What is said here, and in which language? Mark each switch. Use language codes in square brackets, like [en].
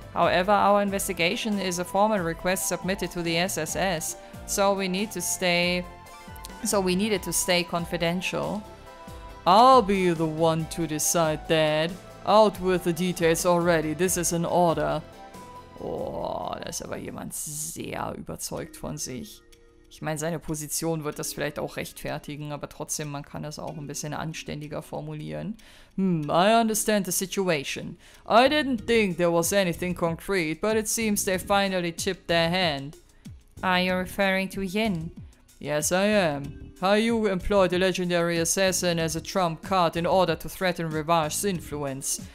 [en] However, our investigation is a formal request submitted to the SSS, so we needed to stay confidential. I'll be the one to decide that. Out with the details already, this is an order. [de] Oh, da ist aber jemand sehr überzeugt von sich. Ich meine, seine Position wird das vielleicht auch rechtfertigen, aber trotzdem, man kann es auch ein bisschen anständiger formulieren. [en] I understand the situation. I didn't think there was anything concrete, but it seems they finally tipped their hand. Are you referring to Yin? Yes, I am. How you employed the legendary assassin as a trump card in order to threaten Rivage's influence.